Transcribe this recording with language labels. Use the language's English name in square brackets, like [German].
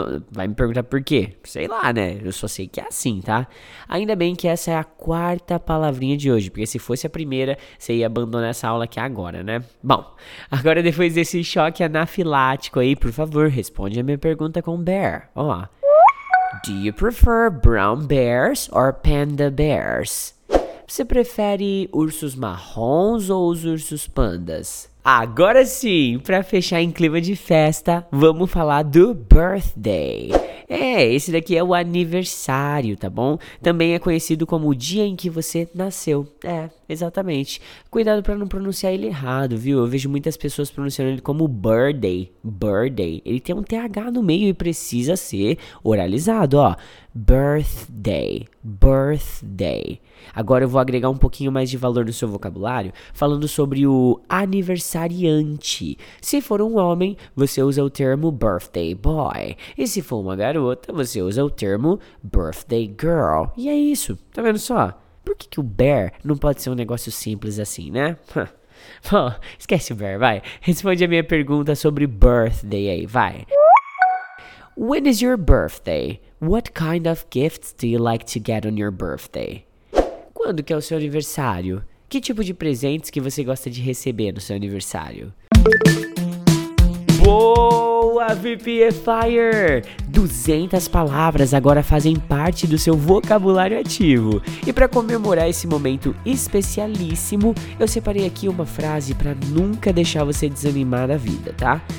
[Portuguese] Vai me perguntar por quê? Sei lá, né? Eu só sei que é assim, tá? Ainda bem que essa é a quarta palavrinha de hoje, porque se fosse a primeira, você ia abandonar essa aula aqui agora, né? Bom, agora depois desse choque anafilático aí, por favor, responde a minha pergunta com bear. Ó. [English] Do you prefer brown bears or panda bears? [Portuguese] Você prefere ursos marrons ou os ursos pandas? Agora sim, pra fechar em clima de festa, vamos falar do birthday. É, esse daqui é o aniversário, tá bom? Também é conhecido como o dia em que você nasceu. É, exatamente. Cuidado pra não pronunciar ele errado, viu? Eu vejo muitas pessoas pronunciando ele como birthday. Birthday. Ele tem um TH no meio e precisa ser oralizado, ó. Birthday. Birthday. Agora eu vou agregar um pouquinho mais de valor no seu vocabulário, falando sobre o aniversariante. Se for um homem, você usa o termo birthday boy. E se for uma garota, você usa o termo birthday girl. E é isso, tá vendo só? Por que que o bear não pode ser um negócio simples assim, né? Bom, esquece o bear, vai. Responde a minha pergunta sobre birthday aí, vai. [English] When is your birthday? What kind of gifts do you like to get on your birthday? [Portuguese] Quando que é o seu aniversário? Que tipo de presentes que você gosta de receber no seu aniversário? Boa, VPFire! 200 palavras agora fazem parte do seu vocabulário ativo. E para comemorar esse momento especialíssimo, eu separei aqui uma frase para nunca deixar você desanimar da vida, tá?